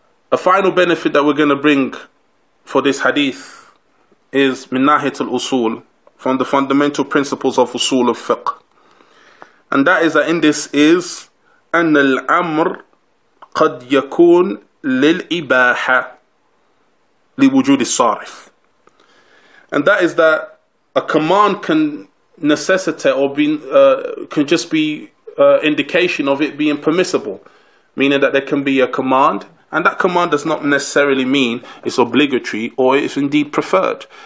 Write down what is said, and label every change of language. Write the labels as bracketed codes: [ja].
[en] A final benefit that we're going to bring for this hadith is [ar] min nahiyat al-usul, [en] from the fundamental principles of usul of fiqh. And that is that in this is, [ar] أن الأمر قد يكون للإباحة لوجود الصارف. [en] And that is that a command can necessitate or can just be indication of it being permissible. Meaning that there can be a command, and that command does not necessarily mean it's obligatory or it's indeed preferred.